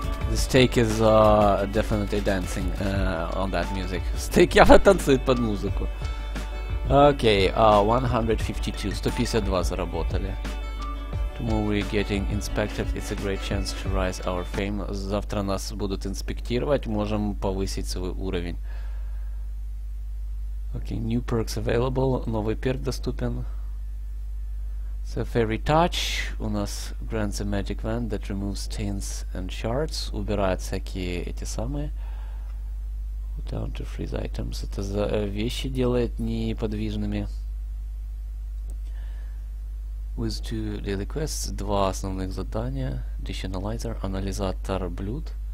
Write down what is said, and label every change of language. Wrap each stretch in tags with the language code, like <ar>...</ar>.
<en>The steak is definitely dancing on that music.</en> <ru>Steak явно танцует под музыку.</ru> <en>Okay, 152. 152</en> <ru>заработали.</ru> <en>Tomorrow we're getting inspected. It's a great chance to rise our fame.</en> <ru>Завтра нас будут инспектировать, можем повысить свой уровень.</ru> <en>Okay, new perks available.</en> <ru>Новый перк доступен.</ru> <en>So fairy touch.</en> <ru>У нас</ru> <en>grants a magic wand that removes stains and shards.</en> <ru>Убирает всякие эти самые.</ru> <en>Down to freeze items.</en> <ru>Это за вещи делает неподвижными.</ru> <en>With two daily quests,</en> <ru>два основных задания.</ru> <en>Dish analyzer,</en> <ru>анализатор блюд.</ru>